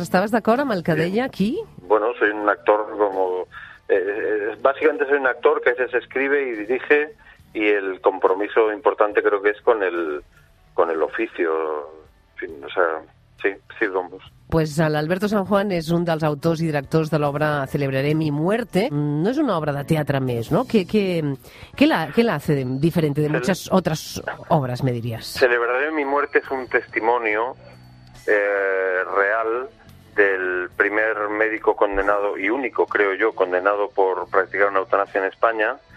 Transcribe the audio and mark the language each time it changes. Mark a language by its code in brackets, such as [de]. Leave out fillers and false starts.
[es] ¿Estabas de acuerdo con el que deia aquí? Bueno, soy un actor como... básicamente soy un actor que a veces escribe y dirige, y el compromiso importante creo que es con el oficio. En fin, o sea, sí, vamos. [ca] Pues Alberto San Juan és un dels autors i directors de l'obra Celebraré mi muerte. No és una obra de teatre més, no? [es] ¿Qué la hace diferente de muchas otras obras, me dirías? Celebraré mi muerte es un testimonio real del primer médico condenado, y único, creo yo, condenado por practicar una eutanasia en España.